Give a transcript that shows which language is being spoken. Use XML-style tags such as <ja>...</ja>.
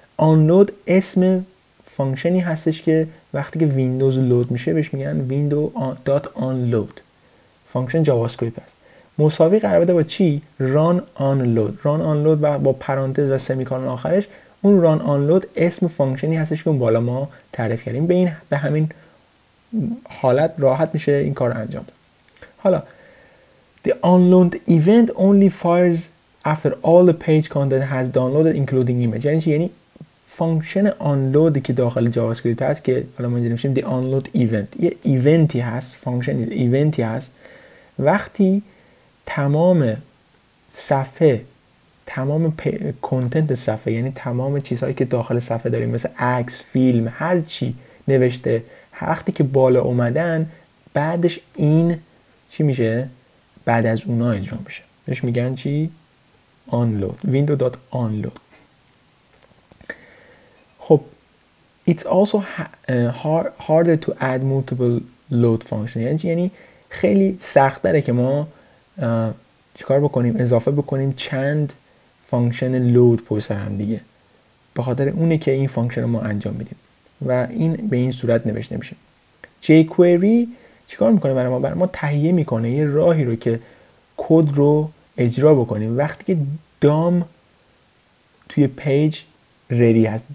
<fa>on load اسم فانکشنی هستش که وقتی که ویندوز لود میشه بهش میگن window.onload. فانکشن جاوا اسکریپت هست. مساوی قرار بده با چی؟ run on load. run on load و با پرانتز و سمیکانون آخرش، اون run on load اسم فانکشنی هستش که اون بالا ما تعریف کردیم. به همین حالت راحت میشه این کار رو انجام داد. حالا</fa> <en>the onload event only fires after all the page content has downloaded including image.</en> <fa>یعنی فانکشن onload که داخل جاوا اسکریپت هست که حالا ما اینجا نمیشیم the onload event، یه ایونتی هست، فانکشن ایونتی هست، وقتی تمام صفحه، تمام کنتنت صفحه، یعنی تمام چیزهایی که داخل صفحه داریم مثل عکس، فیلم، هر چی نوشته، وقتی که بالا اومدن بعدش این چی میشه؟ بعد از اونا اجرا میشه، بهش میگن چی؟ onload، window.onload. خب</fa> <en>it's also harder to add multiple load functions.</en> <fa>یعنی خیلی سخت داره که ما چیکار بکنیم؟ اضافه بکنیم چند فانکشن لود پشت هم دیگه، به خاطر اونه که این فانکشن رو ما انجام میدیم و این به این صورت نوشته میشه. jQuery چیکار میکنه برای ما؟ برای ما تهیه میکنه یه راهی رو که کد رو اجرا بکنیم وقتی که دام توی پیج ریدی هست.</fa>